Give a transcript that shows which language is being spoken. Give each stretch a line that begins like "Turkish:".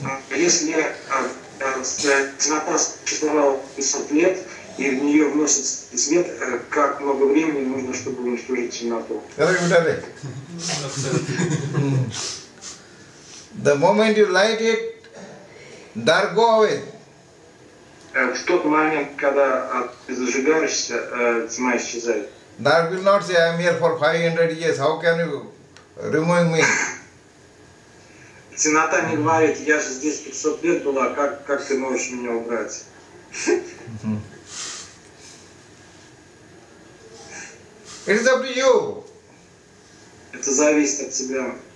Russian: Если знакомство существовало 500 лет, и в нее вносит свет, как много времени нужно, чтобы уничтожить темноту?
English: The moment you light it, dark go away.
Russian: В тот момент, когда ты зажигаешься, тьма исчезает.
English: Dark will not say, I am here for 500 years, how can you remove me?
Russian: Темнота не говорит, я же здесь 500 лет была, как ты можешь меня убрать?
English: It is up to you.
Russian: Это зависит от тебя.